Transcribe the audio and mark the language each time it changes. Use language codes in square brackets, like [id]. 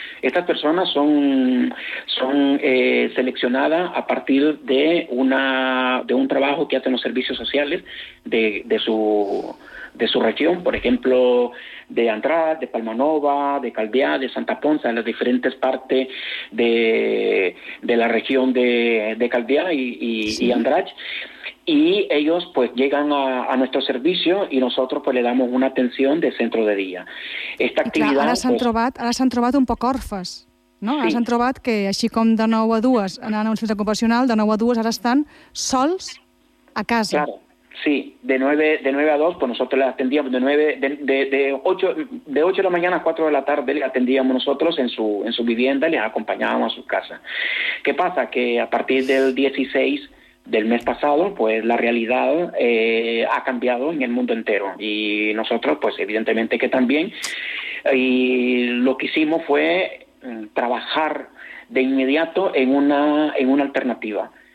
[es] Estas personas son seleccionadas a partir de un trabajo que hacen los servicios sociales de su región, por ejemplo, de Andrade, de Palma Nova, de Calviá, de Santa Ponsa, en las diferentes partes de la región de Calviá y Andrade. Y ellos pues llegan a nuestro servicio y nosotros pues le damos una atención de centro de día. Esta actividad, [ca] clar, ara s'han trobat un poc orfes, no? Sí. Ara s'han trobat que així com de 9 a 2 anant a un centre ocupacional, de 9 a 2 ara estan sols a casa. [es] Claro. Sí, de 9 a 2, pues nosotros le atendíamos de 8 de la mañana a 4 de la tarde le atendíamos nosotros en su vivienda, les acompañábamos a su casa. ¿Qué pasa? Que a partir del 16 del mes pasado, pues la realidad ha cambiado en el mundo entero y nosotros, pues evidentemente que también, y lo que hicimos fue trabajar de inmediato en una alternativa.